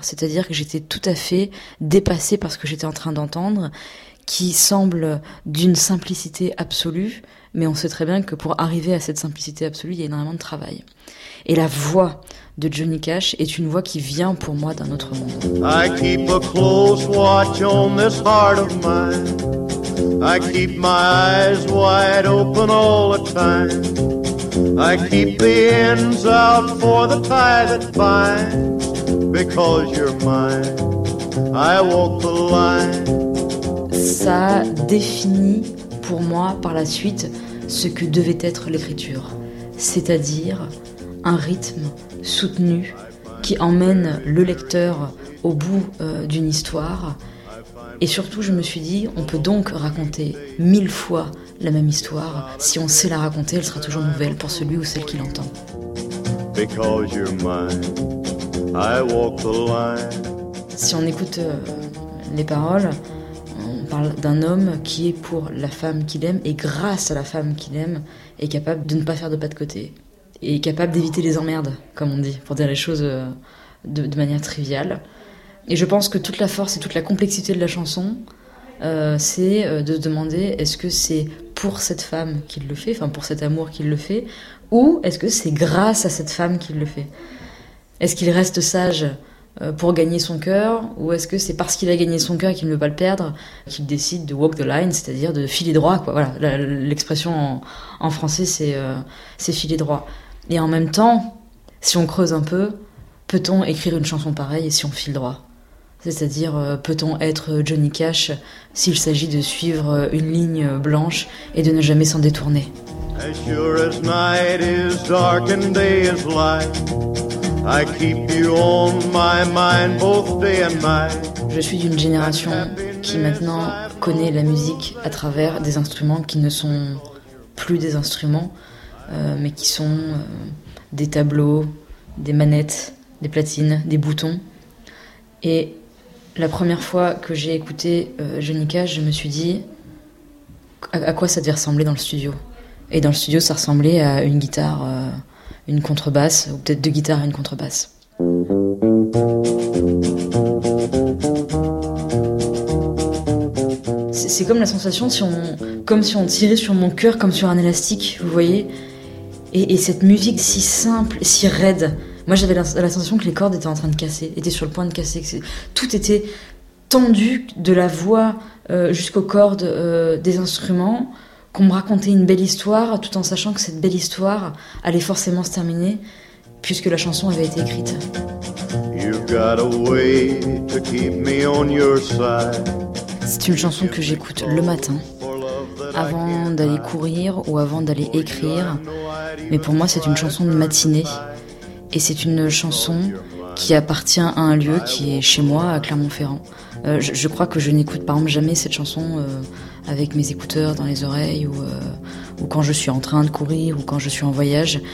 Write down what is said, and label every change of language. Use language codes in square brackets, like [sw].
[fr] C'est-à-dire que j'étais tout à fait dépassée par ce que j'étais en train d'entendre, qui semble d'une simplicité absolue, mais on sait très bien que pour arriver à cette simplicité absolue, il y a énormément de travail. Et la voix de Johnny Cash est une voix qui vient pour moi d'un autre monde. [en] I keep a close watch on this heart of mine. I keep my eyes wide open all the time. I keep the ends out for the tie that binds. Because you're mine, I walk the line. [fr] Ça définit pour moi par la suite ce que devait être l'écriture, c'est-à-dire un rythme soutenu qui emmène le lecteur au bout d'une histoire. Et surtout, je me suis dit, on peut donc raconter mille fois la même histoire. Si on sait la raconter, elle sera toujours nouvelle pour celui ou celle qui l'entend. [en] Because you're mine, I walk the line. [fr] Si on écoute les paroles, on parle d'un homme qui est pour la femme qu'il aime et grâce à la femme qu'il aime, est capable de ne pas faire de pas de côté. Et capable d'éviter les emmerdes, comme on dit, pour dire les choses de manière triviale. Et je pense que toute la force et toute la complexité de la chanson, c'est de se demander est-ce que c'est pour cette femme qu'il le fait, enfin pour cet amour qu'il le fait, ou est-ce que c'est grâce à cette femme qu'il le fait? Est-ce qu'il reste sage pour gagner son cœur, ou est-ce que c'est parce qu'il a gagné son cœur et qu'il ne veut pas le perdre qu'il décide de [en] walk the line, [fr] c'est-à-dire de filer droit, quoi. Voilà, l'expression en français, c'est filer droit. Et en même temps, si on creuse un peu, peut-on écrire une chanson pareille si on file droit? C'est-à-dire, peut-on être Johnny Cash s'il s'agit de suivre une ligne blanche et de ne jamais s'en détourner? [en] As sure as night is dark and day is light, I keep you on my mind both day and night. [fr] Je suis d'une génération qui maintenant connaît la musique à travers des instruments qui ne sont plus des instruments, mais qui sont des tableaux, des manettes, des platines, des boutons. Et la première fois que j'ai écouté Johnny Cash, je me suis dit à quoi ça devait ressembler dans le studio. Et dans le studio, ça ressemblait à une guitare, une contrebasse, ou peut-être deux guitares et une contrebasse. C'est comme la sensation, comme si on tirait sur mon cœur, comme sur un élastique, vous voyez. Et cette musique si simple, si raide. Moi, j'avais la sensation que les cordes étaient en train de casser, étaient sur le point de casser. Tout était tendu de la voix jusqu'aux cordes des instruments, qu'on me racontait une belle histoire, tout en sachant que cette belle histoire allait forcément se terminer, puisque la chanson avait été écrite. [en] You've got a way to keep me on your side. [fr] C'est une chanson que j'écoute le matin, avant d'aller courir ou avant d'aller écrire. Mais pour moi, c'est une chanson de matinée. Et c'est une chanson qui appartient à un lieu qui est chez moi, à Clermont-Ferrand. Je crois que je n'écoute par exemple jamais cette chanson avec mes écouteurs dans les oreilles ou quand je suis en train de courir ou quand je suis en voyage.